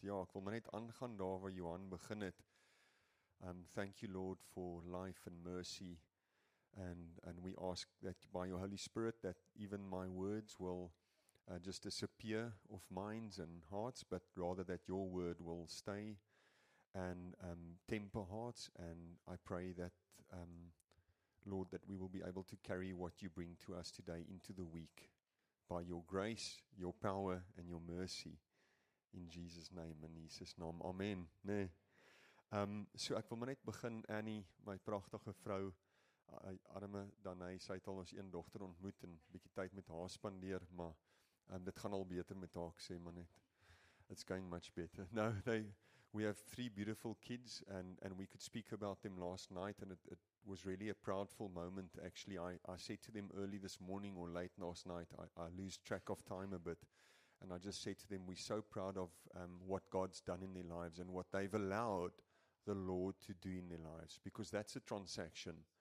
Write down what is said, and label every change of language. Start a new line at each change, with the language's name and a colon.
Afrikaans: Ja, ek wil maar net aangaan daar waar Johan begin het.
English: Thank you Lord for life and mercy. And we ask that by your Holy Spirit that even my words will just disappear of minds and hearts, but rather that your word will stay and temper hearts. And I pray that, Lord, that we will be able to carry what you bring to us today into the week. By your grace, your power, and your mercy. In Jesus' name, in Jesus' name. Amen. Nee.
Afrikaans: So ek wil maar net begin, Annie, my prachtige vrou, arme Danai, sy het al ons een dochter ontmoet en bietjie tyd met haar spandeer, maar dit gaan al beter met haar, ek sê maar net.
English: It's going much better. Now, we have three beautiful kids, and we could speak about them last night, and it was really a proudful moment, actually. I said to them early this morning or late last night, I lose track of time a bit, and I just said to them, we're so proud of what God's done in their lives and what they've allowed the Lord to do in their lives, because that's a transaction.